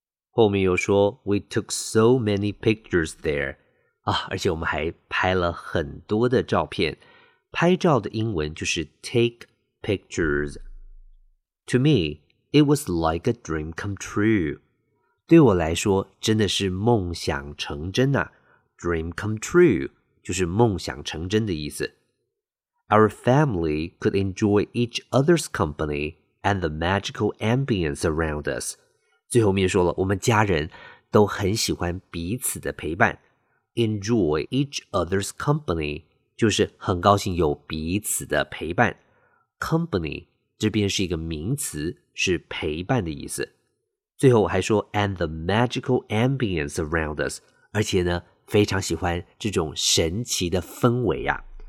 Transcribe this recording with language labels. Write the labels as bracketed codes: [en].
[zh] 后面又说 [en] we took so many pictures there [zh] 啊，而且我们还拍了很多的照片。拍照的英文就是 take pictures。 [en] To me, it was like a dream come true. [zh] 对我来说真的是梦想成真啊。 [en] Dream come true, [zh] 就是梦想成真的意思。 [en] Our family could enjoy each other's company and the magical ambience around us. [zh] 最后面说了，我们家人都很喜欢彼此的陪伴。 [en] Enjoy each other's company, [zh] 就是很高兴有彼此的陪伴。 Company, 这边是一个名词，是陪伴的意思。最后我还说 [en] and the magical ambience around us, [zh] 而且呢非常喜欢这种神奇的氛围啊。